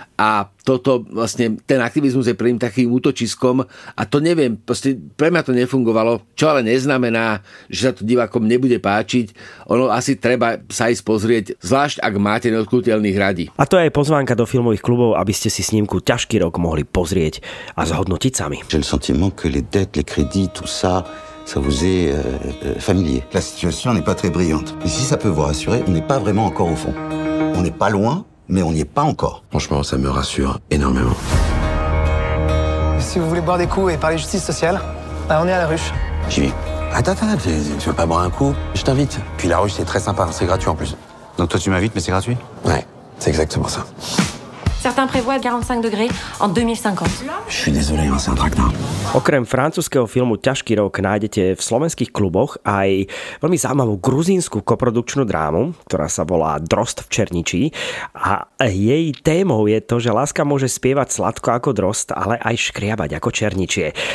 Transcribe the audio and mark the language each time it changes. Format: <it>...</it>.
<sk>A toto vlastne, ten aktivizmus je pre ním takým útočiskom a to neviem, proste pre mňa to nefungovalo, čo ale neznamená, že sa to divákom nebude páčiť. Ono asi treba sa ísť pozrieť, zvlášť ak máte neodkúteľných radi. A to je aj pozvánka do filmových klubov, aby ste si snímku Ťažký rok mohli pozrieť a zhodnotiť sami.</sk> <fr>J'ai le sentiment que les dettes, les crédits, tout ça, ça vous est familier. La situation n'est pas très brillante. Mais si ça peut vous rassurer, on n'est pas vraiment encore au fond. On n'est pas loin. Mais on n'y est pas encore. Franchement, ça me rassure énormément. Si vous voulez boire des coups et parler justice sociale, bah on est à la ruche. J'y vais. Attends, tu veux pas boire un coup? Je t'invite. Puis la ruche, c'est très sympa, c'est gratuit en plus. Donc toi, tu m'invites, mais c'est gratuit? Ouais, c'est exactement ça. Certains prévoient 45 degrés en 2050. Je suis désolé, hein, c'est un traquenard.</fr> <sk>Okrem francúzskeho filmu Ťažký rok nájdete v slovenských kluboch aj veľmi zaujímavú gruzínsku koprodukčnú drámu, ktorá sa volá Drost v Černičí. A jej témou je to, že láska môže spievať sladko ako drost, ale aj škriabať ako černičie.</sk>